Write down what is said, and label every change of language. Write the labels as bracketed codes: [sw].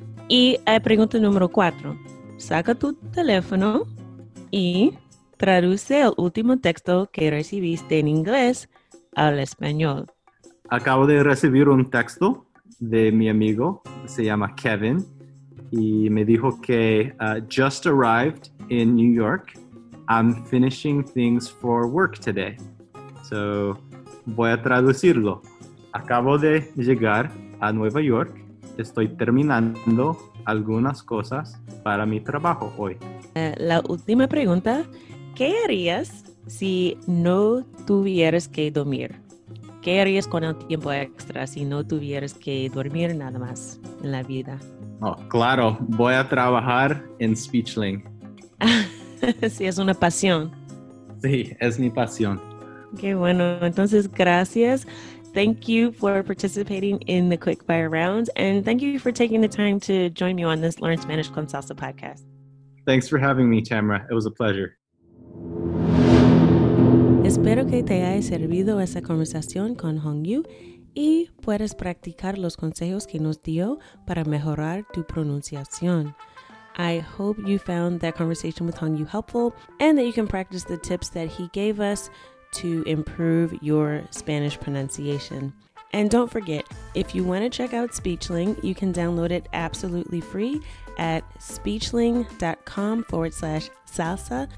[es] Y pregunta número 4, saca tu teléfono y traduce el último texto que recibiste en inglés al español. Acabo de recibir un texto de mi amigo, se llama Kevin, y me dijo que [en] just arrived in New York. I'm finishing things for work today. [es] So, voy a traducirlo. Acabo de llegar a Nueva York. Estoy terminando algunas cosas para mi trabajo hoy. La última pregunta, ¿qué harías si no tuvieras que dormir? ¿Qué harías con el tiempo extra si no tuvieras que dormir nada más en la vida? Oh, claro, voy a trabajar en Speechling. Sí, es una pasión. Sí, es mi pasión. Qué bueno, entonces gracias. [en] Thank you for participating in the Quickfire Round and thank you for taking the time to join me on this Learn Spanish con Salsa podcast. Thanks for having me, Tamara. It was a pleasure. [es] Espero que te haya servido esa conversación con Hongyu y puedes practicar los consejos que nos dio para mejorar tu pronunciación. [en] I hope you found that conversation with Hongyu helpful and that you can practice the tips that he gave us to improve your Spanish pronunciation. And don't forget, If you want to check out Speechling, you can download it absolutely free at speechling.com/salsa.